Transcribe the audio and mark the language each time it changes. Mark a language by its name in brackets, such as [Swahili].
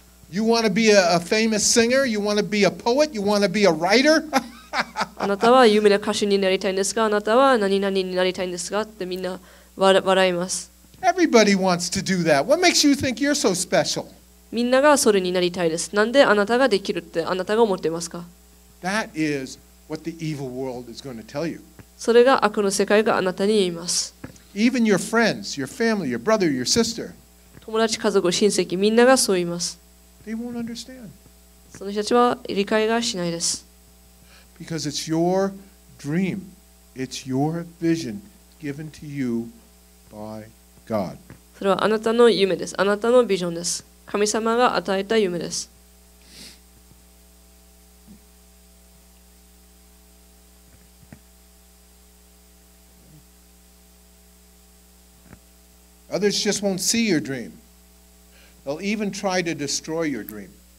[English] You want to be a famous singer? You want to be a poet? You want to be a writer? [Japanese] あなたは有名な歌手になりたいんですか? あなたは何々になりたいんですか? ってみんな笑います。 [English] Everybody wants to do that. What makes you think you're so special? [Japanese] みんながそれになりたいです。なんであなたができるってあなたが思ってますか? [English] That is what the evil world is going to tell you. [Japanese] それが悪の世界があなたに言います。 [English] Even your friends, your family, your brother, your sister. [Japanese] 友達、家族、親戚、みんながそう言います。 [English] They won't understand. [Japanese] その人たちは理解がしないです。 [English] Because it's your dream, it's your vision given to you by God. God. [Japanese] それはあなたの夢です。あなたのビジョンです。神様が与えた夢です。 [English] Others just won't see your dream. They'll even try to destroy your dream.